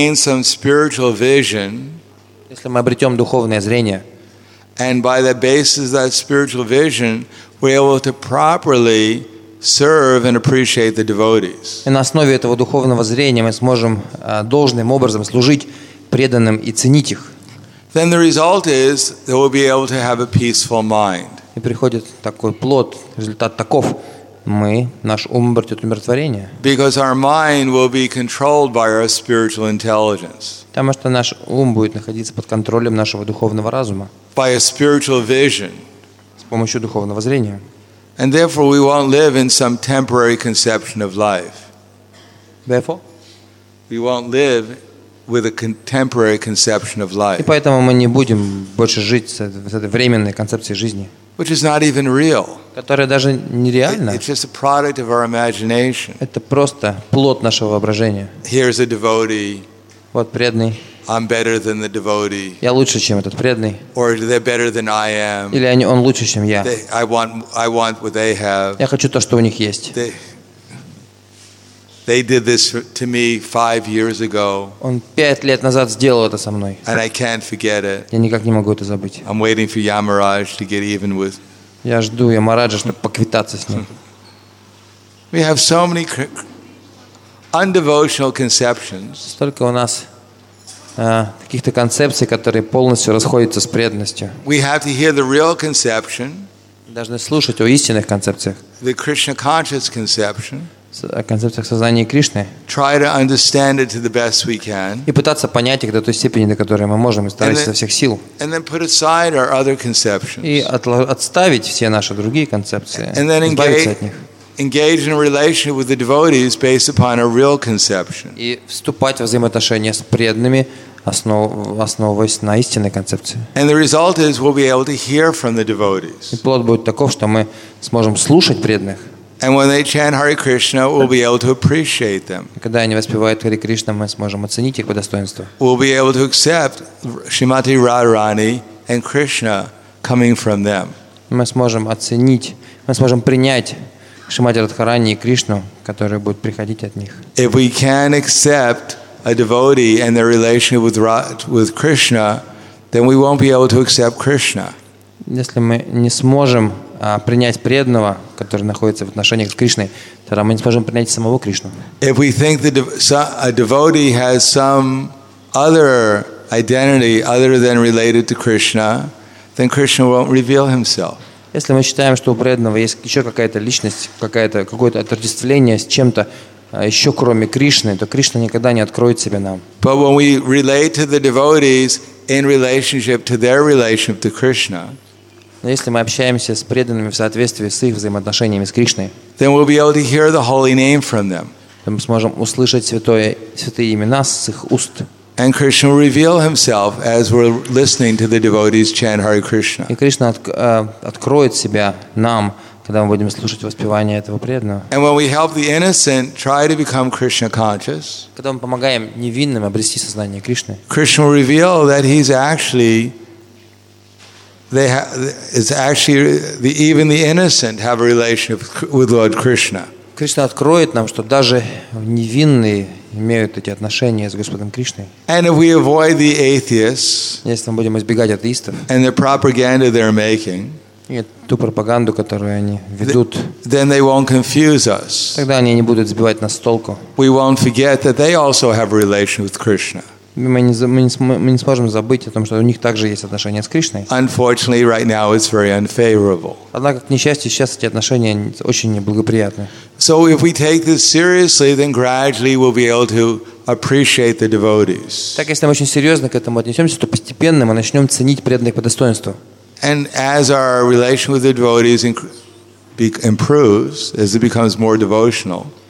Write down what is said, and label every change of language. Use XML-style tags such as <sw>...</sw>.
<ru>Если мы обретем духовное зрение и на основе этого духовного зрения мы сможем должным образом служить преданным и ценить их.</ru> <en>Then the result is they will be able to have a peaceful mind.</en> <ru>И приходит такой плод, результат таков. Мы, наш ум обретет умиротворение.</ru> <en>Because our mind will be controlled by our spiritual intelligence.</en> <ru>Потому что наш ум будет находиться под контролем нашего духовного разума.</ru> <en>By a spiritual vision.</en> <ru>С помощью духовного зрения.</ru> <en>And therefore we won't live in some temporary conception of life. Therefore? We won't live with a contemporary conception of life.</en> <ru>И поэтому мы не будем больше жить с этой временной концепцией жизни.</ru> <en>Which is not even real.</en> <ru>Которая даже нереальна.</ru> <en>It's just a product of our imagination.</en> <ru>Это просто плод нашего воображения.</ru> <en>Here's a devotee.</en> <ru>Вот преданный.</ru> <en>I'm better than the devotee.</en> <ru>Я лучше, чем этот преданный.</ru> <en>Or they're better than I am.</en> <ru>Или они, он лучше, чем я.</ru> <en>I want what they have.</en> <ru>Я хочу то, что у них есть.</ru> <en>They did this to me 5 years ago.</en> <ru>Он 5 лет назад сделал это со мной.</ru> <en>And I can't forget it.</en> <ru>Я никак не могу это забыть.</ru> <en>I'm waiting for Yamaraj to get even with.</en> <ru>Я жду Ямараджа, чтобы поквитаться с ним.</ru> <en>We have so many undevotional conceptions.</en> <ru>Столько у нас каких-то концепций, которые полностью расходятся с преданностью.</ru> <en>We have to hear the real conception.</en> <ru>Должны слушать о истинных концепциях.</ru> <en>The Krishna conscious conception.</en> <ru>О концепциях сознания Кришны.</ru> <en>Try to understand it to the best we can.</en> <ru>И пытаться понять их до той степени, до которой мы можем, и стараться изо всех сил.</ru> <en>And then put aside our other conceptions.</en> <ru>И отставить все наши другие концепции.</ru> <en>And then engage in a relationship with the devotees based upon a real conception.</en> <ru>И вступать в взаимоотношения с преданными, основываясь на истинной концепции.</ru> <en>And the result is we'll be able to hear from the devotees.</en> <ru>И плод будет таков, что мы сможем слушать преданных.</ru> <en>And when they chant Hare Krishna, we'll be able to appreciate them.</en> <ru>Когда они воспевают Хари Кришна, мы сможем оценить их по достоинству.</ru> <en>We'll be able to accept Shrimati Radharani and Krishna coming from them.</en> <ru>Мы сможем оценить, мы сможем принять Шримати Радхарани и Кришну, которые будут приходить от них.</ru> <en>If we can accept a devotee and their relationship with Krishna, then we won't be able to accept Krishna.</en> <ru>Если мы не сможем принять преданного, который находится в отношениях с Кришной, тогда мы не сможем принять самого Кришну.</ru> <en>If we think that a devotee has some other identity other than related to Krishna, then Krishna won't reveal himself.</en> <ru>Если мы считаем, что у преданного есть еще какая-то личность, какое-то отождествление с чем-то еще кроме Кришны, то Кришна никогда не откроет себя нам.</ru> <en>But when we relate to the devotees in relationship to their relationship to Krishna,</en> <ru>но если мы общаемся с преданными в соответствии с их взаимоотношениями с Кришной,</ru> <en>then we'll be able to hear the holy name from them.</en> <ru>Мы сможем услышать святые имена с их уст.</ru> <en>And Krishna will reveal himself as we're listening to the devotees chant Hare Krishna.</en> <ru>И Кришна откроет себя нам, когда мы будем слушать воспевание этого преданного.</ru> <en>And when we help the innocent try to become Krishna conscious,</en> <ru>когда мы помогаем невинным обрести сознание Кришны,</ru> <en>Krishna will reveal that he's actually even the innocent have a relationship with Lord Krishna.</en> <ru>Кришна откроет нам, что даже невинные имеют эти отношения с Господом Кришной.</ru> <en>And if we avoid the atheists,</en> <ru>если мы будем избегать атеистов,</ru> <en>and the propaganda they're making,</en> <ru>и ту пропаганду, которую они ведут,</ru> <en>then they won't confuse us.</en> <ru>Тогда они не будут сбивать нас с толку.</ru> <en>We won't forget that they also have a relationship with Krishna.</en> <ru>Мы не сможем забыть о том, что у них также есть отношения с Кришной.</ru> <en>Unfortunately, right now it's very unfavorable.</en> <ru>Однако, к несчастью, сейчас эти отношения очень неблагоприятны.</ru> <en>So if we take this seriously, then gradually we'll be able to appreciate the devotees.</en> <ru>Так если мы очень серьезно к этому отнесемся, то постепенно мы начнем ценить преданных по достоинству.</ru> <en>And as our relation with the devotees improves, as it becomes more devotional.</en>